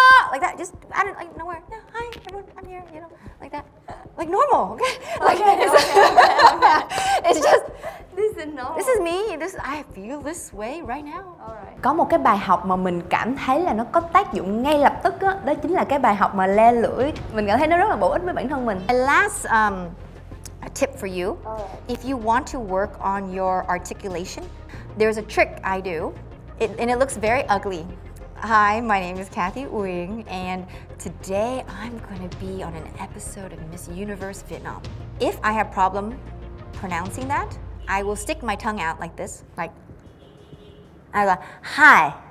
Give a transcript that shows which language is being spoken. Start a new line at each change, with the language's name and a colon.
English: Like that, just out of like nowhere. No, hi, everyone, I'm here, you know, like that. Like normal, okay? Like, okay, it's, okay. It's just, this is normal. This is me, this, I feel this way right now. All right.
Vietnamese: Có một cái bài học mà mình cảm thấy là nó có tác dụng ngay lập tức á, đó chính là cái bài học mà le lưỡi. Mình cảm thấy nó rất là bổ ích với bản thân mình.
English: My last a tip for you. If you want to work on your articulation, there's a trick I do, and it looks very ugly. Hi, my name is Kathy Uyng, and today I'm going to be on an episode of Miss Universe Vietnam. If I have problem pronouncing that, I will stick my tongue out like this, like, I go, hi.